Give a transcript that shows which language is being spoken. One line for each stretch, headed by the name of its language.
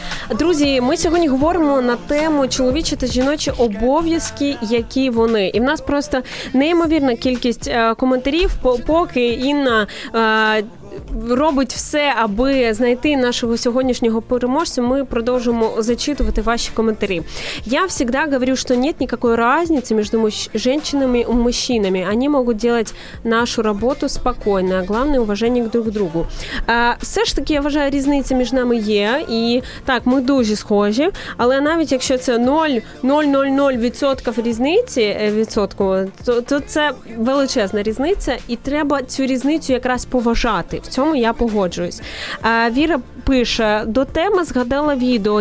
Ukrainian: Друзі, ми сьогодні говоримо на тему чоловічі та жіночі обов'язки, які вони. І в нас просто неймовірна кількість коментарів, поки Інна робить все, аби знайти нашого сьогоднішнього переможця, ми продовжимо зачитувати ваші коментарі. Я завжди говорю, що
Russian: нет никакой разницы между женщинами и мужчинами. Они могут делать нашу работу спокойно, а главное уважение друг к другу.
Ukrainian: Все ж таки, я вважаю, різниця між нами є, і так, ми дуже схожі, але навіть якщо це 0,000% різниці, відсотку, то це величезна різниця, і треба цю різницю якраз поважати. В цьому я погоджуюсь. Віра пише, до теми згадала відео.